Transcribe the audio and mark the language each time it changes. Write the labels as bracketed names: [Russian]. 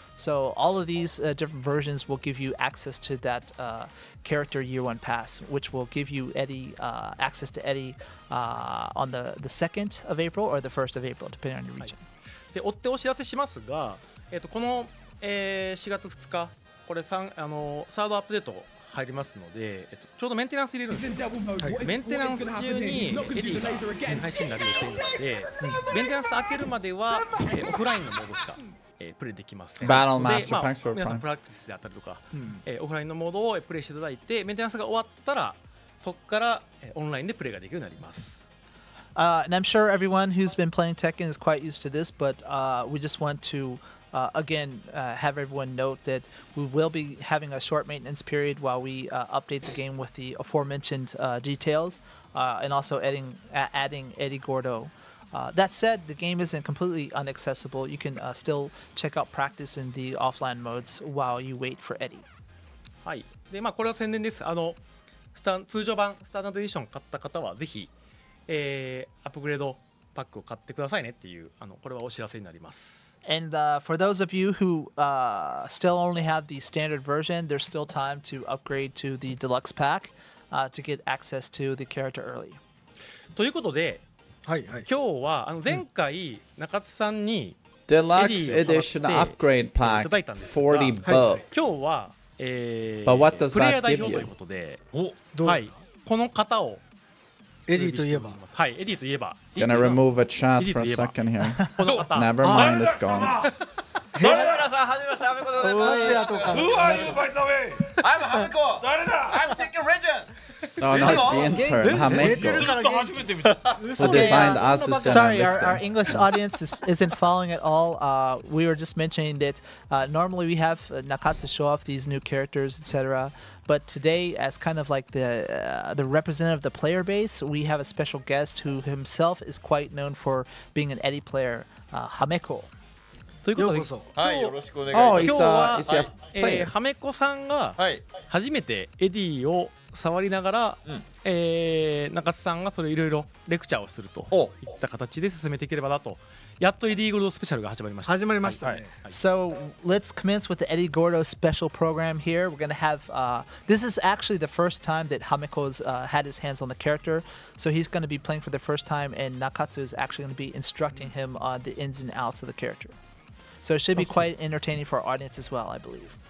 [English] So all of these different versions will give you access to that character year one pass, which will give you Eddy access to Eddy on the 2nd of April or the 1st of April, depending on your region. [Japanese] え、4月2日、これ3、サードアップデート入りますので、ちょうどメンテナンス入れるんですよ。メンテナンス中にエディが配信になる予定なので、メンテナンス開けるまではオフラインのモードしか。プレイできません。 [English] バトルマスター、thanks for playing。 [Japanese] 皆さんプラクティスであったりとか、オフラインのモードをプレイしていただいて、メンテナンスが終わったら、そこからオンラインでプレイができるようになります。 [English] And I'm sure everyone who's been playing Tekken is quite used to this, but we just want to again have everyone note that we will be having a short maintenance period while we update the game with the aforementioned details and also adding Eddy Gordo. That said, the game isn't completely inaccessible. You can still check out practice in the offline modes while you wait for Eddy. [Japanese] はい。で、まあこれは宣伝です。あの、スタン、通常版スタンダードエディション買った方はぜひ。アップグレードパックを買ってくださいねっていうあのこれはお知らせになります。 [English] And for those of you who still only have the standard version, there's still time to upgrade to the deluxe pack to get access to the character early. [Japanese] ということで、はいはい、今日はあの前回、中津さんにデラックスエディションアップグレードパック $40. 今日は、 [English] But what does [Japanese] プレイヤー代表ということで、おどうはい、この方をエディといえば、はい、エディといえば、 [English] gonna remove a chat for a second here. Never mind, it's gone. [Japanese] どれどれさん、はじめまして、アメコでございます。 [English] Who are you, by the way? I'm Hameko. [Japanese] 誰だ [English] ？I'm Tekken Legend. Oh no, it's the intern, Hameko. Who designed Asus and Victor? Sorry, our English audience isn't following at all. We were just mentioning that normally we have Nakatsu show off these new characters, etc. But today, as kind of like the representative of the player base, we have a special guest who himself is quite known for being an Eddy player, Hameko. [Japanese] ということで、はい、よろしくお願いします。今日は、Hameko さんが初めてエディを触りながら、はい、中津さんがそれいろいろレクチャーをするといった形で進めていければなと。やっとエディゴルドスペシャルが始まりました。始まりましたね。はい、 [English] So let's commence with the Eddy Gordo special program here. We're gonna have this is actually the first time that Hameko's had his hands on the character, so he's gonna be playing for the first time, and Nakatsu is actually gonna be instructing him on the ins and outs of the character. So it should be quite entertaining for our audience as well, I believe.